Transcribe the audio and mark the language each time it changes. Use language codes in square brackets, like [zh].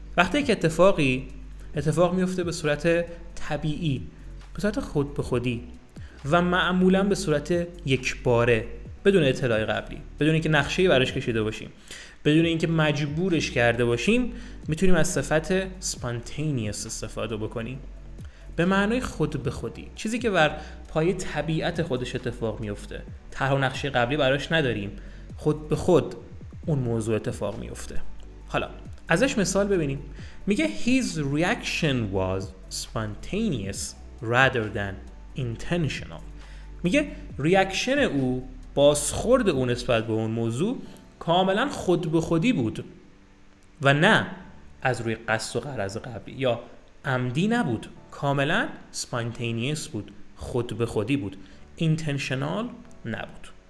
[fa] وقتی که اتفاق میفته به صورت طبیعی، به صورت خود به خودی و معمولا به صورت یک باره، بدون اطلاع قبلی، بدون اینکه نقشه‌ای براش کشیده باشیم، بدون اینکه مجبورش کرده باشیم، میتونیم از صفت spontaneous استفاده بکنیم. به معنای خود به خودی، چیزی که بر پایه طبیعت خودش اتفاق میفته، طرح و نقشه قبلی براش نداریم، خود به خود اون موضوع اتفاق میفته. حالا ازش مثال ببینیم. [en] میگه his reaction was spontaneous rather than intentional. [fa] میگه ریاکشن او، بازخورد او نسبت به اون موضوع کاملا خود به خودی بود و نه از روی قصد و غرض قبلی یا عمدی نبود، کاملا spontaneous بود، خود به خودی بود، intentional نبود.